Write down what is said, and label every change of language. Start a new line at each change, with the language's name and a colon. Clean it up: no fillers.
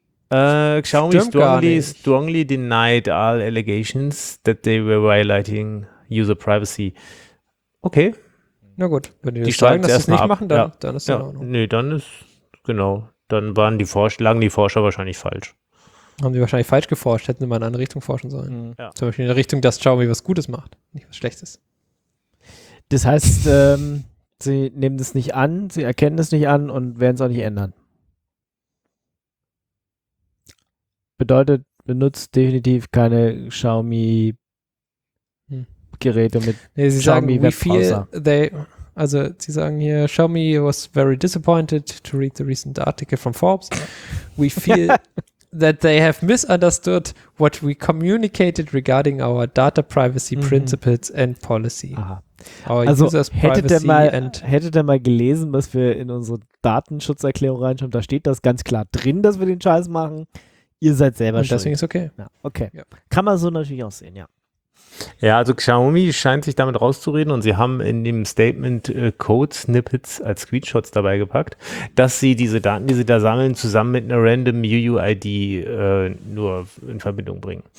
English: Xiaomi strongly denied all allegations that they were violating user privacy.
German: Okay. Na gut, wenn die das sagen, dass sie es nicht machen, dann ist es in Ordnung. Nee, dann ist, genau, dann waren die Forscher wahrscheinlich falsch. Haben sie wahrscheinlich falsch geforscht, hätten sie mal in eine andere Richtung forschen sollen. Ja. Zum Beispiel in der Richtung, dass Xiaomi was Gutes macht, nicht was Schlechtes. Das heißt, sie nehmen das nicht an, sie erkennen es nicht an und werden es auch nicht ändern. Bedeutet, benutzt definitiv keine Xiaomi-Geräte mit Xiaomi-Webbrowser. Also sie sagen hier,
English: Xiaomi was very disappointed to read the recent article from Forbes. We feel that they have misunderstood what we communicated regarding our data privacy principles and policy.
German: Aha. Also hättet ihr mal gelesen, was wir in unsere Datenschutzerklärung reinschreiben, da steht das ganz klar drin, dass wir den Scheiß machen. Ihr seid selber schuld. Deswegen ist okay. Ja, okay. Ja. Kann man so natürlich auch sehen, ja. Ja, also Xiaomi scheint sich damit rauszureden und sie haben in dem Statement Code-Snippets als Screenshots dabei gepackt, dass sie diese Daten, die sie da sammeln, zusammen mit einer random UUID nur in Verbindung bringen.